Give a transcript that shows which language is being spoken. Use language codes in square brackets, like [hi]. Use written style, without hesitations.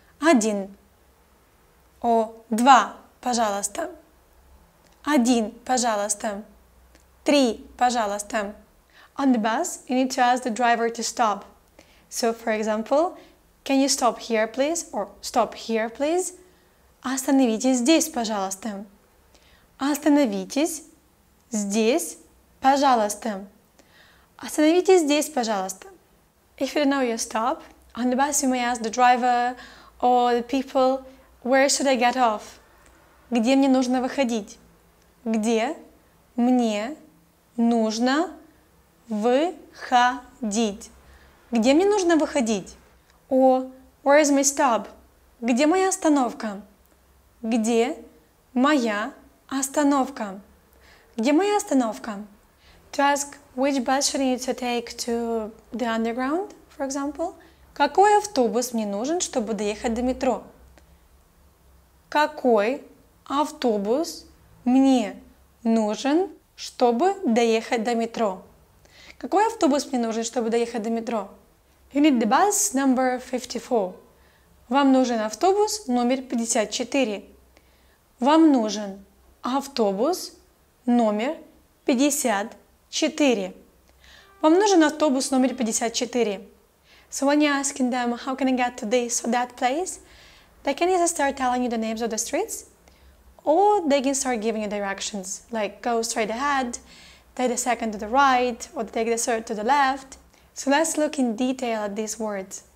[ru] Один. Or два, пожалуйста. Один, пожалуйста. Три, пожалуйста. [en] On the bus, you need to ask the driver to stop. So, for example, can you stop here, please? Or stop here, please? [ru] Остановитесь здесь, пожалуйста. Остановитесь здесь, пожалуйста. Остановитесь здесь, пожалуйста. [en] If you don't know your stop, on the bus you may ask the driver or the people, where should I get off? [ru] Где мне нужно выходить? Где мне нужно выходить? Где мне нужно выходить? [en] Or, where is my stop? [ru] Где моя остановка? Где моя остановка? Где моя остановка? [en] To ask, which bus should I need to take to the underground, for example? [ru] Какой автобус мне нужен, чтобы доехать до метро? Какой автобус мне нужен, чтобы доехать до метро? Какой автобус мне нужен, чтобы доехать до метро? [en] You need the bus number 54. [ru] Вам нужен автобус номер 54. Вам нужен автобус номер 54. Вам нужен автобус номер 54. [en] So when you're asking them, how can I get to this or that place, they can either start telling you the names of the streets, or they can start giving you directions, like go straight ahead, take the second to the right, or take the third to the left. So let's look in detail at these words.